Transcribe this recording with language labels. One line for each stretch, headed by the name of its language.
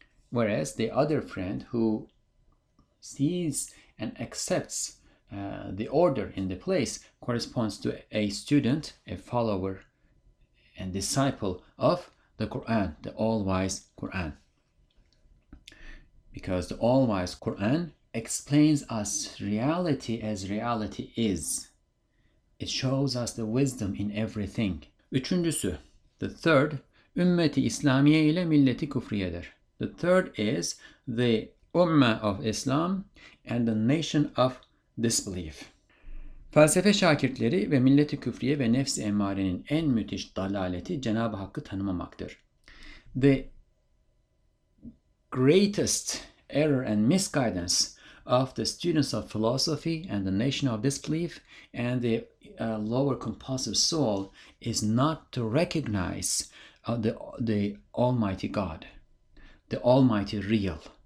English: Whereas the other friend who sees and accepts the order in the place corresponds to a student, a follower, and disciple of the Quran, the all-wise Quran. Because the all-wise Quran explains us reality as reality is. It shows us the wisdom in everything.
Turkish: Üçüncüsü,
English: the third,
Turkish: ümmeti İslamiye ile milleti kufriyedir.
English: The third is the ummah of Islam and the nation of disbelief.
Turkish: Felsefe şakirtleri ve milleti küfriye ve nefsi emmarenin en müthiş dalaleti Cenab-ı Hakk'ı tanımamaktır.
English: The greatest error and misguidance of the students of philosophy and the nation of disbelief and the lower compulsive soul is not to recognize the Almighty God, the Almighty Real.